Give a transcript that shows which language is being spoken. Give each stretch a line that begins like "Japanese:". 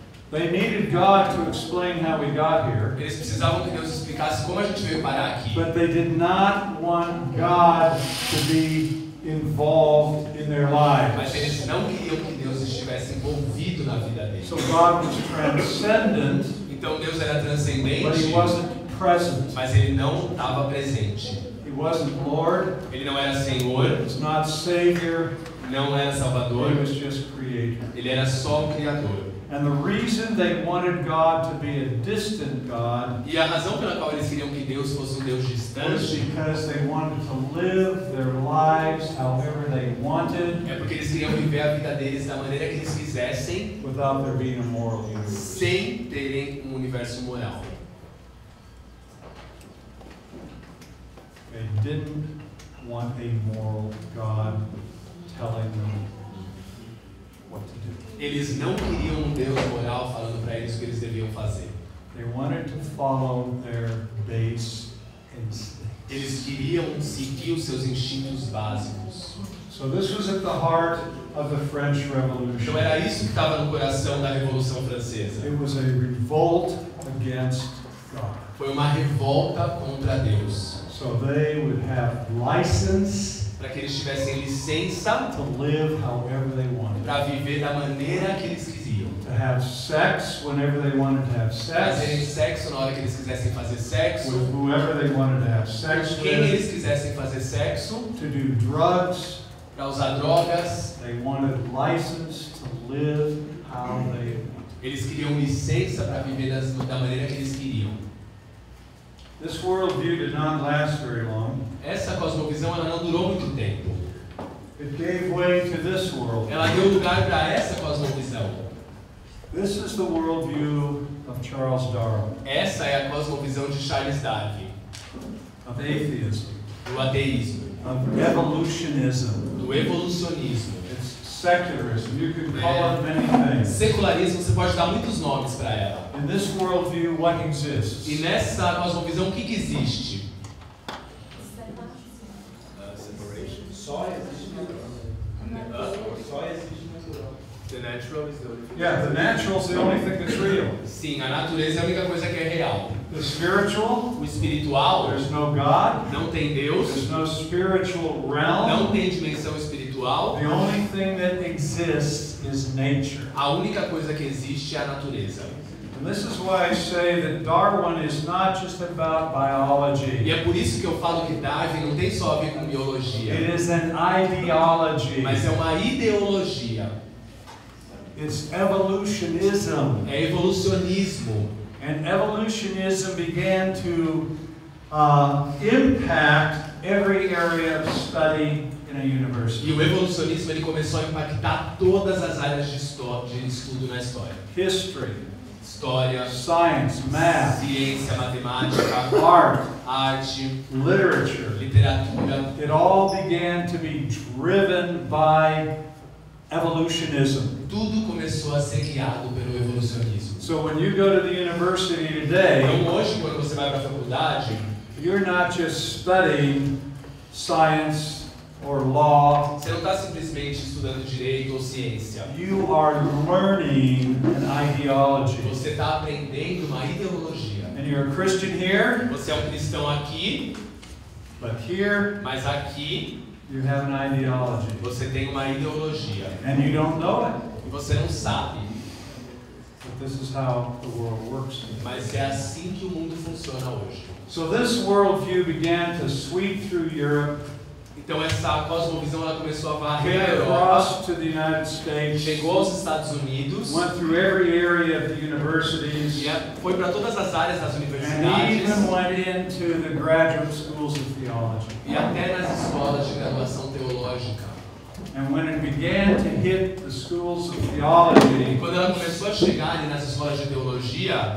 English: They needed God to explain how we got here.
Portuguese: Eles precisavam que Deus explicasse como a gente veio parar aqui.
English: But they did not want God to be involved in their lives.
Portuguese: Mas eles não queriam que Deus estivesse envolvido na vida deles.
English: So God was transcendent.
Portuguese: Então Deus era transcendente.
English: But he wasn't present.
Portuguese: Mas ele não estava presente.
English: He wasn't Lord.
Portuguese: Ele não era Senhor.
English: He was not Savior.
Portuguese: Não era Salvador.
English: He was just creator.
Portuguese: Ele era só o Criador.
English: And the reason they wanted God to be a distant God,
Portuguese: e a razão pela qual eles queriam que Deus fosse um Deus distante,
English: was because they wanted to live their lives however they wanted,
Portuguese: é porque eles queriam viver a vida deles da maneira que eles quisessem,
English: without there being a moral universe.
Portuguese: Sem terem universo moral.
English: They didn't want a moral God telling them what to do.
Portuguese: Eles não queriam um Deus moral falando para eles o que eles deviam fazer.
English: They wanted to follow their base instincts.
Portuguese: Eles queriam seguir os seus instintos básicos.
English: So this was at the heart of the French Revolution.
Portuguese: Então era isso que estava no coração da Revolução Francesa.
English: It was a revolt against God.
Portuguese: Foi uma revolta contra Deus.
English: So they would have license
Portuguese: para que eles tivessem licença
English: to live however they wanted,
Portuguese: para viver da maneira que eles queriam,
English: to have sex whenever they wanted to have sex,
Portuguese: fazerem sexo na hora que eles quisessem fazer sexo,
English: with whoever they wanted to have sex with,
Portuguese: quem eles quisessem fazer sexo,
English: to do drugs,
Portuguese: para usar drogas.
English: They wanted license to live how they wanted.
Portuguese: Eles queriam licença para viver da maneira que eles queriam.
English: This worldview did not last very long.
Portuguese: Essa cosmovisão ela não durou muito tempo.
English: It gave way to this world.
Portuguese: Ela deu lugar para essa cosmovisão.
English: This is the worldview of Charles Darwin.
Portuguese: Essa é a cosmovisão de Charles Darwin.
English: Of atheism.
Portuguese: Do ateísmo.
English: Of evolutionism.
Portuguese: Do evolucionismo.
English: It's secularism, you can call it many things.
Portuguese: Secularismo, você pode dar muitos nomes para ela.
English: In this worldview, what exists?
Portuguese: E nessa cosmovisão, o que que existe?
English: The natural is the only thing that's real.
Portuguese: Sim, a natureza é a única coisa que é real.
English: The spiritual,
Portuguese: o espiritual,
English: there's no God,
Portuguese: não tem Deus.
English: There's no spiritual realm,
Portuguese: não tem dimensão espiritual.
English: The only thing that exists is nature.
Portuguese: A única coisa que existe é a natureza.
English: And this is why I say that Darwin is not just about biology.
Portuguese: E é por isso que eu falo que Darwin não tem só a ver com biologia.
English: It is an ideology.
Portuguese: Mas é uma ideologia.
English: It's evolutionism.
Portuguese: É evolucionismo.
English: And evolutionism began to impact every area of study in a university.
Portuguese: E o evolucionismo ele começou a impactar todas as áreas de estudo na história.
English: History.
Portuguese: História,
English: science, math,
Portuguese: ciência, matemática,
English: art,
Portuguese: arte,
English: literature,
Portuguese: literatura.
English: It all began to be driven by evolutionism.
Portuguese: Tudo começou a ser guiado pelo evolucionismo.
English: So when you go to the university today,
Portuguese: então hoje quando você vai para a faculdade,
English: you're not just studying science or law.
Portuguese: Você não está simplesmente estudando direito ou ciência.
English: You are learning an ideology.
Portuguese: Você está aprendendo uma ideologia.
English: And you're a Christian here.
Portuguese: Você é um cristão aqui.
English: But here,
Portuguese: mas aqui,
English: you have an ideology.
Portuguese: Você tem uma ideologia.
English: And you don't know it.
Portuguese: E você não sabe.
English: But this is how the world works.
Portuguese: Mas é assim que o mundo funciona hoje.
English: So this worldview began to sweep through Europe.
Portuguese: Então essa cosmovisão ela começou a varrer a Europa,
English: across to the United States,
Portuguese: chegou aos Estados Unidos,
English: went through every area of the universities,
Portuguese: foi para todas as áreas das universidades,
English: and even went into the graduate schools of theology.
Portuguese: E até nas escolas de graduação teológica.
English: And when it began to hit the schools of theology,
Portuguese: e quando ela começou a chegar ali nas escolas de teologia,